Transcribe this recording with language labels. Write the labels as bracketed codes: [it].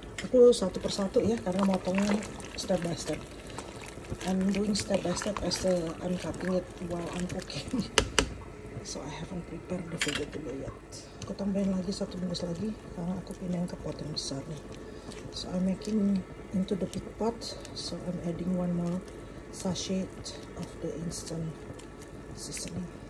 [id] Aku satu persatu ya karena motongnya [en] step by step. I'm doing step by step as the, I'm cutting it while I'm cooking, so I haven't prepared the vegetable yet. [id] Aku tambahin lagi satu bungkus lagi karena aku pindah ke pot yang besar nih. [en] So I'm making into the big pot, so I'm adding one more sachet of the instant seasoning.